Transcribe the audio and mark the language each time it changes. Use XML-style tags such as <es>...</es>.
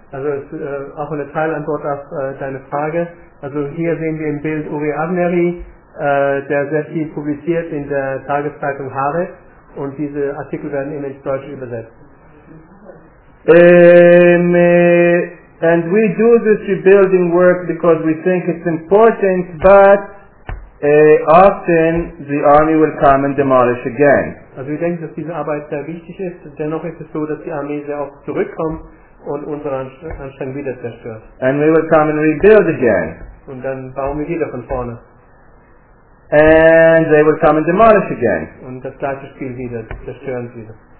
<de>Also es ist auch eine Teilantwort auf deine Frage. Also hier sehen wir im Bild Uri Avneri, der sehr viel publiziert in der Tageszeitung Haaretz, und diese Artikel werden immer ins Deutsche übersetzt.</de> <en>And we do this rebuilding work because we think it's important, but often the army will come and demolish again.</en> <de>Also wir denken, dass diese Arbeit sehr wichtig ist. Dennoch ist es so, dass die Armee sehr oft zurückkommt und unsere Anstrengung wieder zerstört.</de> <en>And we will come and rebuild again.</en> <de>Und dann bauen wir wieder von vorne.</de> <en>And they will come and demolish again.</en> <de>Und das gleiche Spiel wieder, zerstören sie wieder.</de>